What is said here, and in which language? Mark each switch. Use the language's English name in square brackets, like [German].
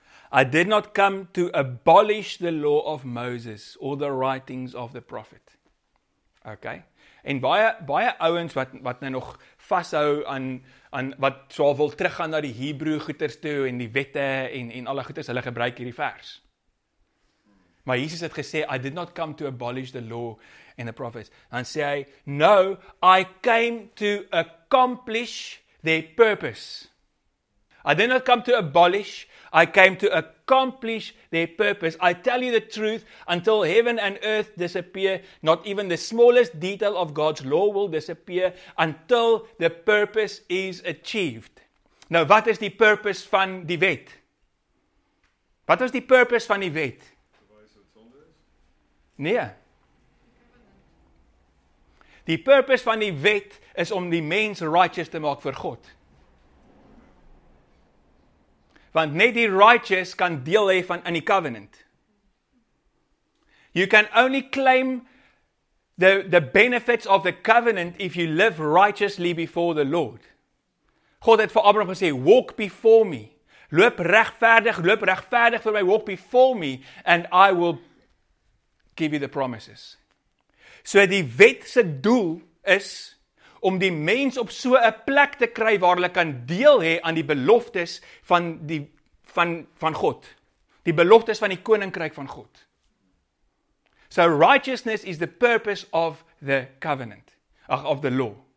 [English] I did not come to abolish the law of Moses or the writings of the prophet. Okay? [Afrikaans] En baie ouens wat nou nog vashou aan wat sou wil teruggaan na die Hebreë goeters toe en die wette en alle goeters, hulle gebruik hierdie vers. Maar Jesus het gesê, [English] I did not come to abolish the law and the prophets. [Afrikaans] Dan sê hy, [English] no, I came to accomplish their purpose. I did not come to abolish, I came to accomplish their purpose. I tell you the truth, until heaven and earth disappear, not even the smallest detail of God's law will disappear until the purpose is achieved. [Afrikaans] Nou, wat is die purpose van die wet? Wat was die purpose van die wet? Nee. Die purpose van die wet is om die mens righteous te maak vir God. Want net die righteous kan deel hê van in die covenant. [English] You can only claim the benefits of the covenant if you live righteously before the Lord. [Afrikaans] God het vir Abraham gesê, [English] walk before me. [Afrikaans] Loop regverdig vir my, [English] walk before me, and I will give you the promises. [Afrikaans] So die wet se doel is om die mens op so 'n plek te kry waar hulle kan deel hê aan die beloftes van die van God. Die beloftes van die koninkryk van God. [English] So righteousness is the purpose of the covenant, of the law.